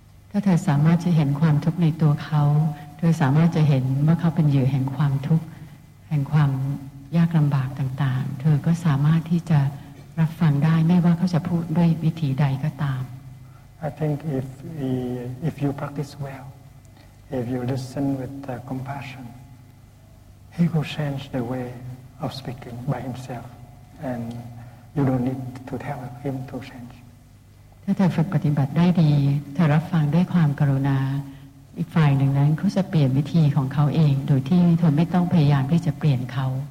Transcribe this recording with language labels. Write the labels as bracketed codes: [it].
[th] ถ้าเธอสามารถจะเห็นความทุกข์ในตัวเขาเธอสามารถจะเห็นว่าเขาเป็นเหยื่อแห่งความทุกข์แห่งความยากลำบากต่างๆเธอก็สามารถที่จะรับฟังได้ไม่ว่าเขาจะพูดด้วยวิธีใดก็ตาม [en] I think if you practice well. If you listen with compassion, he will change the way of speaking by himself, and you don't need to tell him to change. [th] ถ้าเธอฝึกปฏิบัติได้ดีเธอรับฟังด้วยความกรุณาอีกฝ่ายหนึ่งนั้นเขาจะเปลี่ยนวิธีของเขาเองโดยที่เธอไม่ต้องพยายามที่จะเปลี่ยนเขา